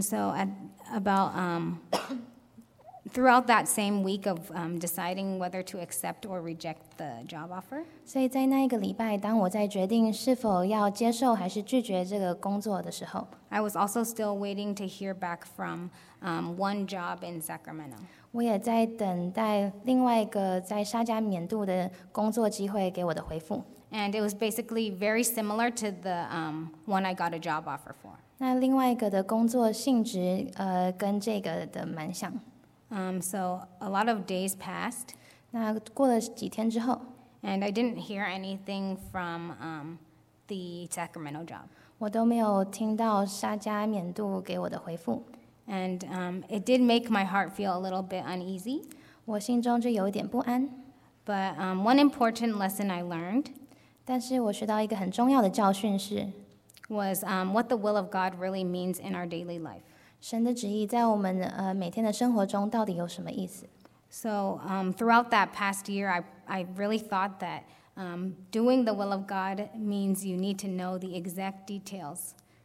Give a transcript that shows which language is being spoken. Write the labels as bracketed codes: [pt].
[en] so at about throughout that same week of deciding whether to accept or reject the job offer. [zh] 所以在那一个礼拜，当我在决定是否要接受还是拒绝这个工作的时候， [en] I was also still waiting to hear back from one job in Sacramento. [zh] 我也在等待另外一个在沙加缅度的工作机会给我的回复。 [en] And it was basically very similar to the one I got a job offer for. [zh] 那另外一个的工作性质跟这个的蛮像。 [en] So a lot of days passed. [zh] 那过了几天之后, [en] and I didn't hear anything from the Sacramento job. [zh] 我都没有听到沙加缅度给我的回复。 [en] And it did make my heart feel a little bit uneasy. [zh] 我心中就有点不安。 [en] But one important lesson I learned, [zh] 但是我学到一个很重要的教训是, [en] was what the will of God really means in our daily life. [zh] 神的旨意在我们每天的生活中到底有什么意思？ [en] So throughout that past year, I really thought that doing the will of God means you need to know the exact details.